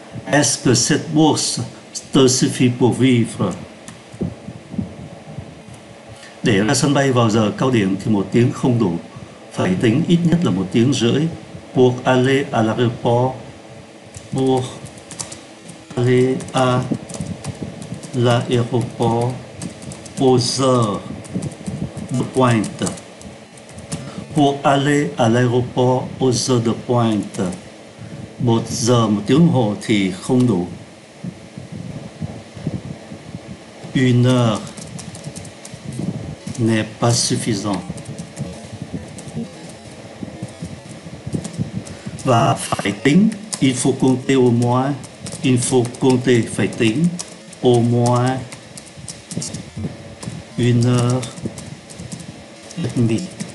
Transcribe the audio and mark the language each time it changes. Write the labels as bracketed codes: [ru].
[fr] Est-ce que cette bourse te suffit pour vivre? [vi] Để ra sân bay vào giờ cao điểm thì một tiếng không đủ, phải tính ít nhất là một tiếng rưỡi. [fr] Pour aller à l'aéroport, pour aller à l'aéroport aux heures de pointe. Pour aller à l'aéroport aux heures de pointe. [vi] Một giờ một tiếng hồ thì không đủ. [fr] Une heure n'est pas suffisant. [vi] Và phải tính, [fr] il faut compter au moins, il faut compter, [vi] phải tính, [fr] au moins, une heure et demie.